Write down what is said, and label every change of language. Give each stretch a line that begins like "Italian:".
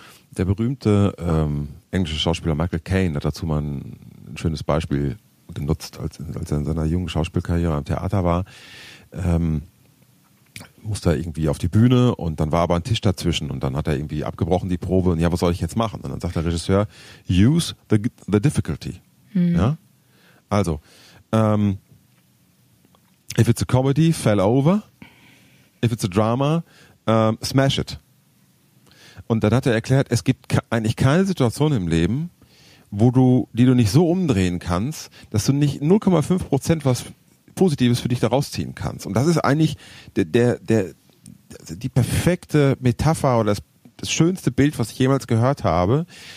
German: Der berühmte englische Schauspieler Michael Caine hat dazu mal ein schönes Beispiel genutzt, als er in seiner jungen Schauspielkarriere am Theater war. Musste er irgendwie auf die Bühne und dann war aber ein Tisch dazwischen und dann hat er irgendwie abgebrochen die Probe und ja, was soll ich jetzt machen? Und dann sagt der Regisseur,
English: use the difficulty.
German: Mhm. Ja?
English: Also, if it's a comedy, fell over. If it's a drama, smash it.
German: Und dann hat er erklärt, es gibt eigentlich keine Situation im Leben, die du nicht so umdrehen kannst, dass du nicht 0,5% was Positives für dich daraus ziehen kannst. Und das ist eigentlich die perfekte Metapher oder das schönste Bild, was ich jemals gehört habe.